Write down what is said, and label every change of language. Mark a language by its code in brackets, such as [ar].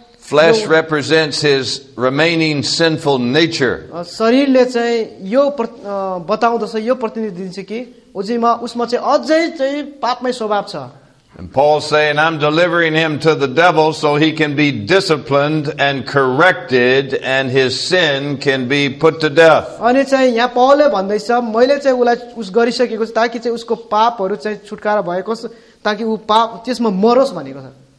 [en] flesh represents his remaining sinful nature. [ne] शरीरले चाहिँ यो बताउँदछ यो प्रतिनिधि दिन्छ कि उजिमा उसमा चाहिँ अझै चाहिँ पापमै स्वभाव छ. [en] And Paul saying, I'm delivering him to the devil so he can be disciplined and corrected and his sin can be put to death. [ne] अनि चाहिँ यहाँ पौलले भन्दैछ मैले चाहिँ उलाई उस गरिसकेको छु ताकि चाहिँ उसको पापहरू चाहिँ छुटकारा भएको छ ताकि उ पाप त्यसमा मरोस् भनेको छ.